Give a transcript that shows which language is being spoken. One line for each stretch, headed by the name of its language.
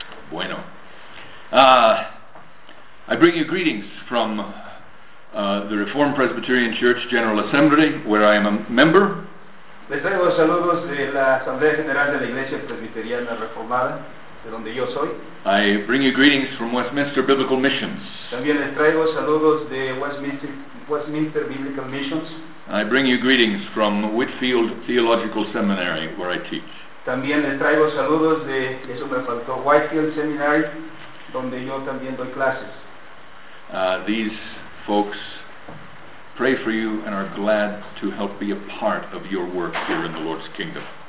English: Bueno, I bring you greetings from the Reformed Presbyterian Church General Assembly, where I am a member.
Spanish: Les traigo los saludos de la Asamblea General de la Iglesia Presbiteriana Reformada, de donde yo soy.
English: I bring you greetings from Westminster Biblical Missions.
Spanish: También les traigo saludos de Westminster Biblical Missions.
English: I bring you greetings from Whitfield Theological Seminary, where I teach.
Spanish: También les traigo saludos de, eso me faltó, Whitefield Seminary, donde yo también doy clases.
English: These folks pray for you and are glad to help be a part of your work here in the Lord's kingdom.